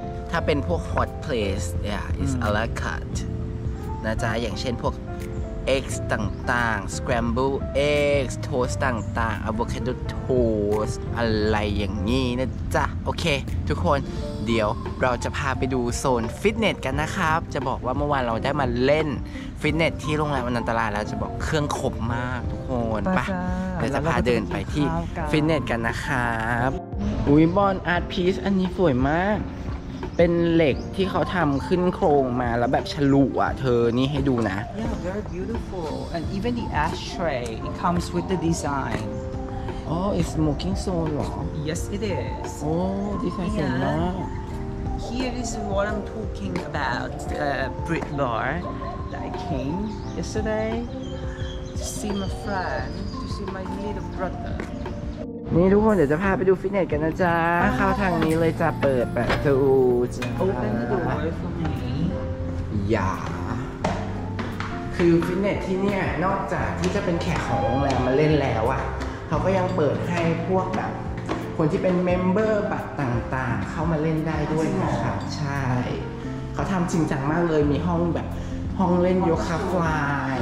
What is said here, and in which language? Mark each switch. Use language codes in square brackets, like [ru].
[th] ถ้าเป็นพวก [en] hot place yeah it's a la carte [th] นะจ๊ะอย่างเช่นพวก eggs ต่างๆ [en] scrambled eggs toast [th] ต่างๆ [en] avocado toast [th] อะไรอย่างนี้นะจ๊ะโอเคทุกคนเดี๋ยวเราจะพาไปดูโซนฟิตเนสกันนะครับจะบอกว่าเมื่อวานเราได้มาเล่นฟิตเนสที่โรงแรมอนันตราแล้วจะบอกเครื่องครบมากทุกคน ไป เดี๋ยวจะพาเดินไปที่ฟิตเนสกันนะครับอุ้ยบอนอาร์ตพีซอันนี้สวยมากเป็นเหล็กที่เขาทำขึ้นโครงมาแล้วแบบฉลุอ่ะเธอนี่ให้ดูนะ [en] Yeah very beautiful and even the ashtray it comes with the design Oh, it's smoking zone, right? Yes, it is. Oh, this is nice. Here is what I'm talking about, the Brit bar that I came yesterday to see my friend, to see my little brother. [th] นี่ทุกคนเดี๋ยวจะพาไปดูฟิตเนสกันนะจ๊ะเข้าทางนี้เลยจ้ะเปิดประตู [en] Open the door for me. Yeah. [th] คือฟิตเนสที่เนี่ยนอกจากที่จะเป็นแขกของโรงแรมมาเล่นแล้วอะเขาก็ยังเปิดให้พวกแบบคนที่เป็นเมมเบอร์บัตรต่างๆเข้ามาเล่นได้ด้วยนะครับใช่เขาทำจริงจังมากเลยมีห้องแบบห้องเล่นโยคะฟลาย